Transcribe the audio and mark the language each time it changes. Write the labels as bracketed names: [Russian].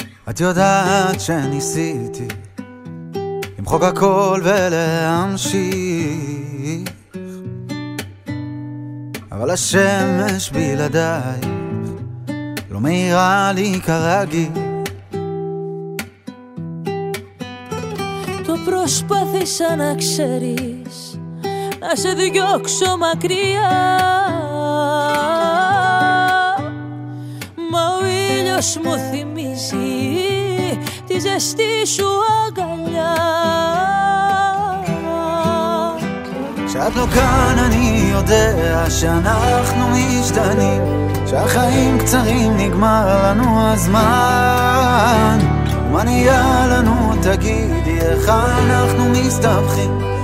[Hebrew] את יודעת שניסיתי למחוק הכל ולהמשיך, אבל השמש בלעדיי לא מאירה לי כרגיל. [Greek] Το προσπάθησα να ξέρεις, να σε διώξω μακριά, μα ο ήλιος μου θυμίζει τη ζεστή σου αγκαλιά. [Hebrew] Σ'את לא כאן אני יודע שאנחנו משתנים, שהחיים קצרים נגמר לנו הזמן. מה נהיה לנו תגידי, איך אנחנו מסתבכים?